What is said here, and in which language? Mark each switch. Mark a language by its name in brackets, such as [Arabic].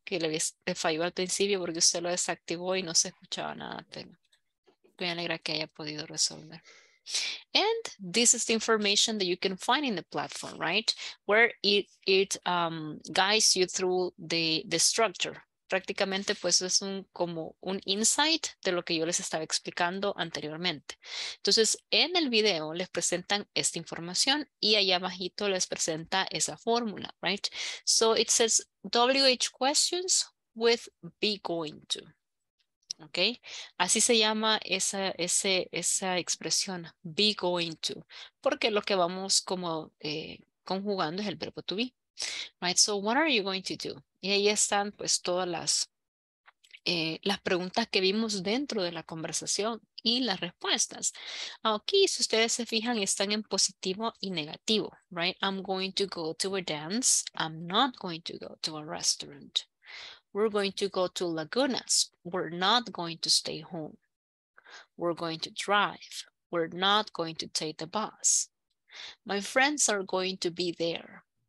[Spanish] Que le falló al principio porque usted lo desactivó y no se escuchaba nada. Pero me alegra que haya podido resolver. [English] And this is the information that you can find in the platform, right? Where it guides you through the structure. [Spanish] Prácticamente, pues es un, como un insight de lo que yo les estaba explicando anteriormente. Entonces, en el video les presentan esta información y allá abajito les presenta esa fórmula, [English] right? So it says WH questions with be going to. [Spanish] Okay, así se llama esa expresión, be going to, porque lo que vamos como conjugando es el verbo to be, [English] right? So what are you going to do? [Spanish] Y ahí están pues todas las preguntas que vimos dentro de la conversación y las respuestas. Aquí, si ustedes se fijan, están en positivo y negativo, [English] right? I'm going to go to a dance. I'm not going to go to a restaurant. We're going to go to Lagunas. We're not going to stay home. We're going to drive. We're not going to take the bus. My friends are going to be there.